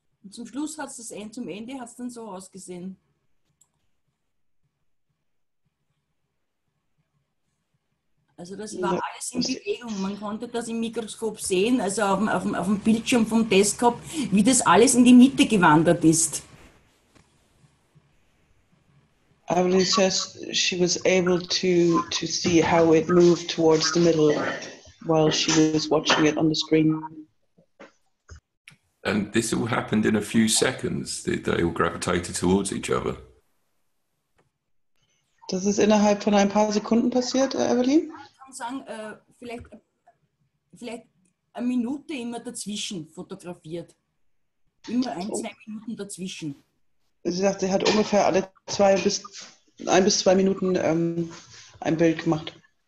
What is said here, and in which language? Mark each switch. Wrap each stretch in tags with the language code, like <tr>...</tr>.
<de>Zum Schluss hat es das End zum Ende, hat es dann so ausgesehen. Also das war alles in Bewegung. Man konnte das im Mikroskop sehen, also auf dem Bildschirm vom Desktop, wie das alles in die Mitte gewandert ist.</de> <en>Evelyn says she was able to see how it moved towards the middle while she was watching it on the screen. And this all happened in a few seconds, that they all gravitated towards each other.</en> <de>Das ist innerhalb von ein paar Sekunden passiert, Evelyn? Ich kann sagen, vielleicht eine Minute immer dazwischen fotografiert. Immer ein, zwei Minuten dazwischen. Sie sagt, sie hat ungefähr alle ein bis zwei Minuten ein Bild gemacht.</de>